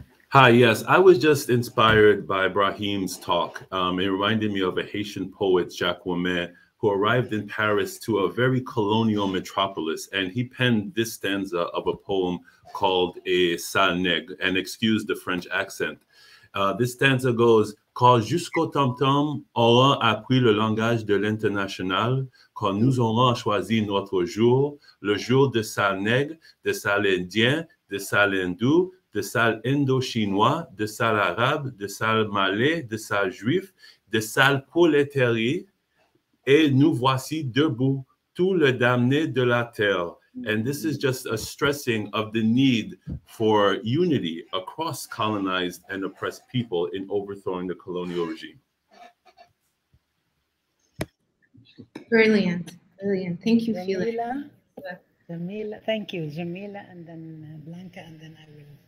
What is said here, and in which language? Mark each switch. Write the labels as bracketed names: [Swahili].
[English] Hi, yes. I was just inspired by Brahim's talk. It reminded me of a Haitian poet, Jacques Wamet, who arrived in Paris to a very colonial metropolis. And he penned this stanza of a poem called "A Sale Nègre," and excuse the French accent. This stanza goes, [French] quand jusqu'au tam-tam aura appris le langage de l'international, quand nous aurons choisi notre jour, le jour de sale nègre, de sale indien, de sale hindou, de sale indo-chinois, de sale arabe, de sale malais, de sale juif, de sale prolétaire, et nous voici debout, tout le damné de la terre. [English] And this is just a stressing of the need for unity across colonized and oppressed people in overthrowing the colonial regime. Brilliant. Thank you, Jamila, Felix. Jamila, thank you, Jamila, and then Blanca, and then I will.